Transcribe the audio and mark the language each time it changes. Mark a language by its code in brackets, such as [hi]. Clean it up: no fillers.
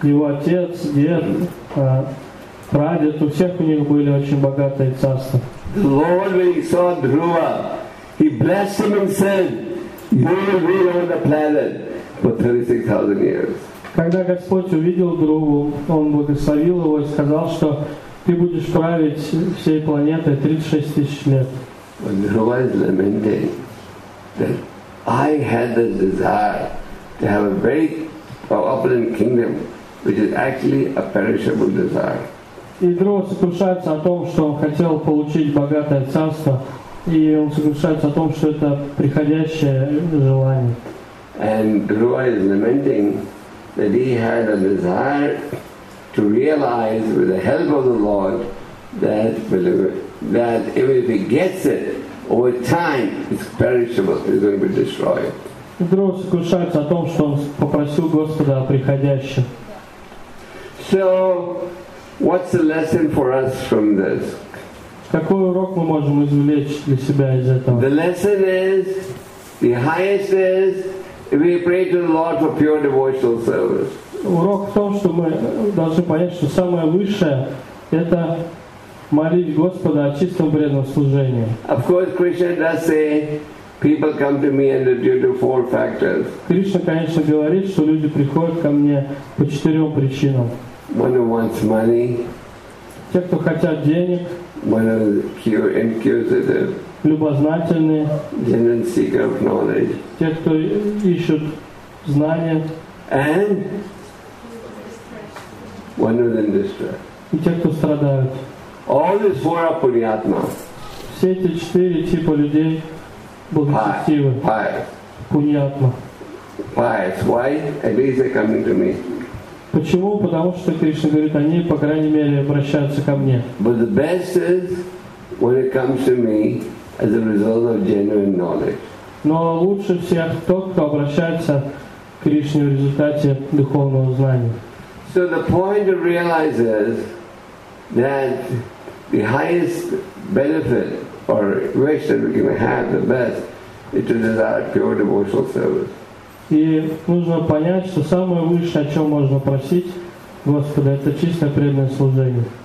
[ru] Его отец, дед, прадед, у всех у них были очень богатые царства. [en] The Lord, when he saw Dhruva, he blessed him and said, "You will rule over the planet for 36,000 years." [ru] Когда Господь увидел Дхруву, он благословил его и сказал, что ты будешь править всей планетой 36 тысяч лет. [en] Dhruva is lamenting that I had the desire to have a very opulent kingdom, which is actually a perishable desire. [ru] И Дхрува сокрушается о том, что он хотел получить богатое царство, и он сокрушается о том, что это приходящее желание. [en] And Dhruva is lamenting that he had a desire to realize with the help of the Lord that even if he gets it, over time it's perishable, it's going to be destroyed. [ru] Дхрува сокрушается о том, что он попросил Господа о приходящем. [en] So, what's the lesson for us from this? [ru] Какой урок мы можем извлечь для себя из этого? [en] The lesson is, the highest is, we pray to the Lord for pure devotional service. [ru] Урок в том, что мы должны понять, что самое высшее – это молить Господа о чистом преданном служении. [en] Of course, Krishna does say, people come to me under due to four factors. [ru] Кришна, конечно, говорит, что люди приходят ко мне по четырем причинам. [en] One who wants money. [ru] Те, кто хотят денег. [en] One who is inquisitive. [ru] Любознательные. [en] Genuine seeker of knowledge. [ru] Те, кто ищут знания. [en] And one who is in distress. [ru] И те, кто страдают. [en] All these four are Пуньятма. [ru] Все эти четыре типа людей благочестивы. [en] Pious. [sa] Пуньятма. [en] Pious. Why? At least they're coming to me. [ru] Почему? Потому что Кришна говорит, они, по крайней мере, обращаются ко мне. [en] But the best is when it comes to me as a result of genuine knowledge. [ru] Но лучше всех тот, кто обращается к Кришне в результате духовного знания. [en] So the point to realize is that the highest benefit or wish that we can have the best is to desire pure devotional service. [ru] И нужно понять, что самое высшее, о чем можно просить Господа, это чистое преданное служение.